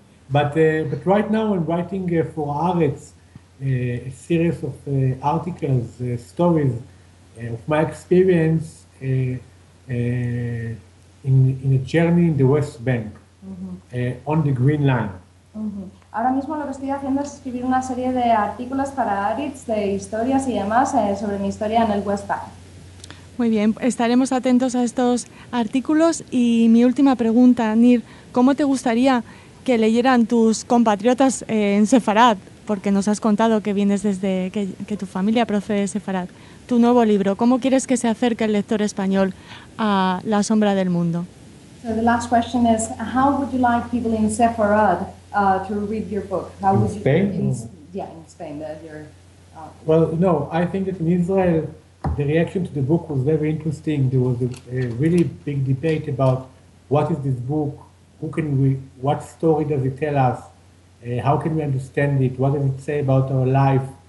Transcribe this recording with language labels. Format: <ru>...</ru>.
<en>But right now I'm writing for Haaretz a series of articles, stories, of my experience in a journey in the West Bank, on the Green Line. Uh-huh.</en> <es>Ahora mismo lo que estoy haciendo es escribir una serie de artículos para Haaretz, de historias y demás, sobre mi historia en el West Bank. Muy bien, estaremos atentos a estos artículos. Y mi última pregunta, Nir, ¿cómo te gustaría que leyeran tus compatriotas en Sefarad? Porque nos has contado que vienes desde que tu familia procede de Sefarad. Tu nuevo libro, ¿cómo quieres que se acerque el lector español a La sombra del mundo?</es> <en>So the last question is, how would you like people in Sefarad to read your book? How in would you, Spain? In Spain. Well, no, I think that in Israel, the reaction to the book was very interesting. There was a really big debate about what is this book, who can we, what story does it tell us, how can we understand it, what does it say about our life?</en>